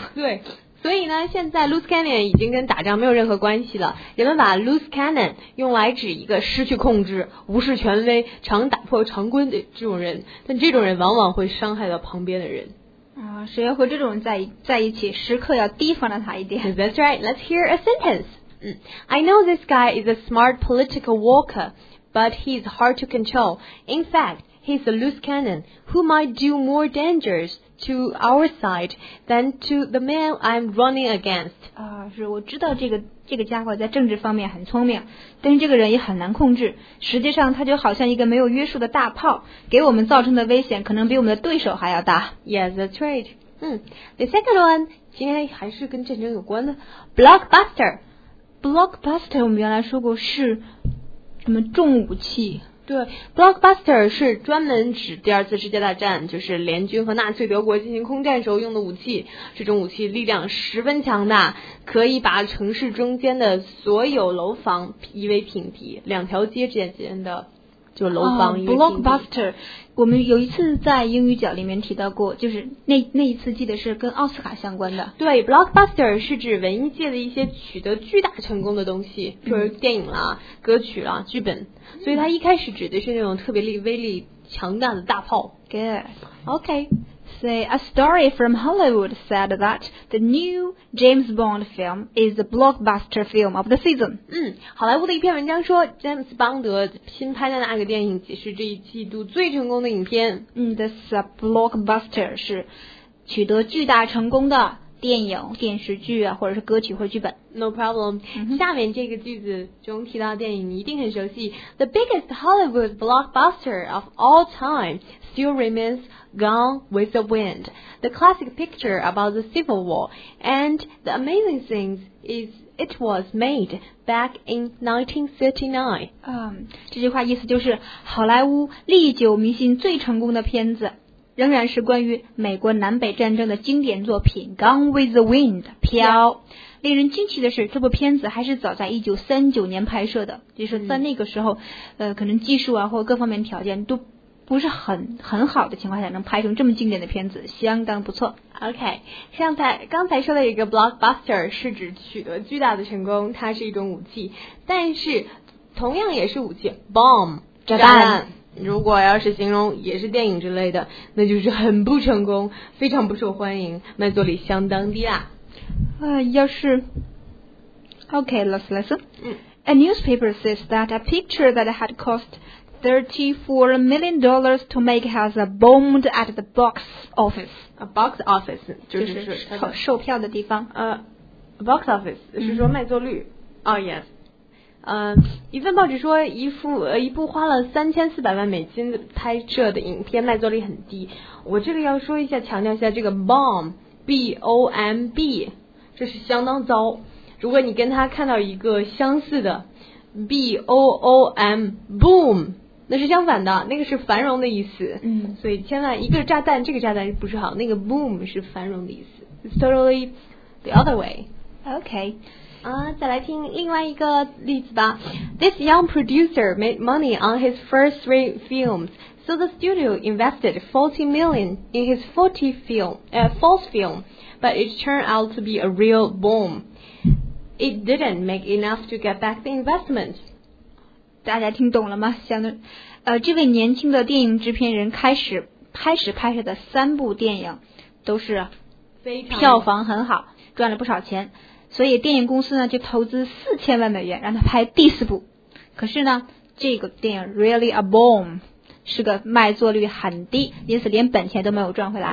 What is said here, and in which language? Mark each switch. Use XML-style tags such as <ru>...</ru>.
<zh>对，所以呢，现在 loose cannon 已经跟打仗没有任何关系了。人们把 loose cannon 用来指一个失去控制、无视权威、常打破常规的这种人，但这种人往往会伤害到旁边的人。谁要和这种人在一起，时刻要提防着他一点。</zh> <en>That's right. Let's hear a sentence. I know this guy is a smart political walker, but he's hard to control. In fact. He's a loose cannon who might do more dangers to our side than to the man I'm running against.</en> <zh>是我知道这个家伙在政治方面很聪明，但是这个人也很难控制。实际上，他就好像一个没有约束的大炮，给我们造成的危险可能比我们的对手还要大。</zh> <en>Yes, that's right. The second one,</en> <zh>今天还是跟战争有关的</zh> <en>blockbuster.</en> <zh>Blockbuster 我们原来说过是什么重武器。对 ，blockbuster 是专门指第二次世界大战，就是联军和纳粹德国进行空战时候用的武器。这种武器力量十分强大，可以把城市中间的所有楼房夷为平地，两条街之间的就楼房夷为平地。 Blockbuster， 我们有一次在英语角里面提到过，就是那一次记得是跟奥斯卡相关的。对 ，blockbuster 是指文艺界的一些取得巨大成功的东西，比如电影啦、歌曲啦、剧本。所以它一开始指的是那种特别威力强大的大炮。</zh> <en>Good. Okay. Say, a story from Hollywood said that the new James Bond film is the blockbuster film of the season.</en> <zh>好莱坞的一篇文章说 ,James Bond 新拍的那个电影是这一季度最成功的影片。 This blockbuster 是取得巨大成功的电影、电视剧啊，或者是歌曲或剧本。</zh> <en>No problem.</en> <zh>下面这个句子中提到电影，你一定很熟悉。</zh> <en>The biggest Hollywood blockbuster of all time still remains Gone with the Wind, the classic picture about the Civil War. And the amazing thing is it was made back in 1939.</en> <zh>这句话意思就是好莱坞历久弥新最成功的片子。仍然是关于美国南北战争的经典作品 Gone with the Wind 飘、yeah. 令人惊奇的是这部片子还是早在1939年拍摄的，就是在那个时候、嗯、可能技术啊或各方面条件都不是很好的情况下能拍成这么经典的片子相当不错。 OK， 像刚才说的一个 blockbuster 是指取得巨大的成功，它是一种武器，但是同样也是武器 bomb 炸弹，如果要是形容也是电影之类的，那就是很不成功，非常不受欢迎，卖座率相当低啦。要是</zh> <en>OK last lesson、嗯、 A newspaper says that a picture that had cost $34 million to make has bombed at the box office. A box office 就</en> <zh>是售票的地方。 Box office、嗯、是说卖座率。</zh> <en>Oh yes.</en> <zh>一份报纸说一部花了$34,000,000拍摄的影片卖座率很低。我这里要说一下，强调一下这个 bomb, B-O-M-B, 这是相当糟。如果你跟他看到一个相似的 B-O-O-M, boom,那是相反的，那个是繁荣的意思。嗯，所以千万一个炸弹，这个炸弹不是好，那个 boom 是繁荣的意思。</zh> <en>It's totally the other way. Okay.</en> <zh>再来听另外一个例子吧。</zh> <en>This young producer made money on his first three films, so the studio invested $40 million in his false film, but it turned out to be a real bomb. It didn't make enough to get back the investment.</en> <zh>大家听懂了吗？这位年轻的电影制片人开始拍摄的三部电影都是票房很好，赚了不少钱，所以电影公司呢就投资$40,000,000让他拍第四部。可是呢，这个电影</zh> <en>really a bomb</en> <zh>是个卖座率很低，因此连本钱都没有赚回来。</zh>